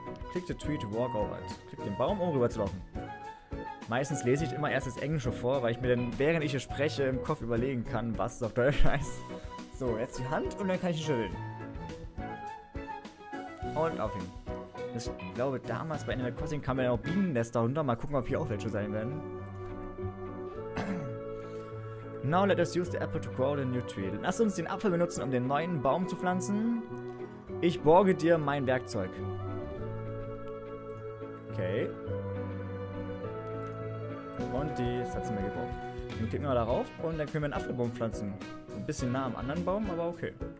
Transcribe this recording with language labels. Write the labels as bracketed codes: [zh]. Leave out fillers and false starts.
[en] Click the tree to walk over it. [de] Click den Baum, um rüber zu laufen. Meistens lese ich immer erst das Englische vor, weil ich mir dann, während ich es spreche, im Kopf überlegen kann, was es auf Deutsch heißt. So, jetzt die Hand und dann kann ich ihn schütteln. Und auf ihn. Ich glaube, damals bei Animal Crossing kann man ja auch Bienennester runter. Mal gucken, ob hier auch welche sein werden. [en] Now let us use the apple to grow the new tree. [de] Lass uns den Apfel benutzen, um den neuen Baum zu pflanzen. Ich borge dir mein Werkzeug. Okay. Und die, das hat sie mir gebraucht. Dann klicken wir darauf und dann können wir einen Apfelbaum pflanzen. Ein bisschen nah am anderen Baum, aber okay.